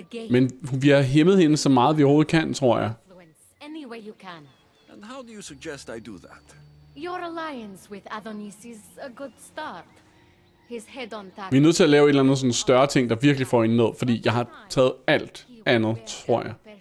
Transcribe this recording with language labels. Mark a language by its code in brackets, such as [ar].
[da] Men vi har hæmmet hende så meget, vi overhovedet kan, tror jeg. [en] Any way you can. And how do you suggest I do that? Your alliance with Adonis is a good start. His head on that. [da] Vi er nødt til at lave et eller andet sådan større ting, der virkelig får en ned, fordi jeg har taget alt andet, tror jeg.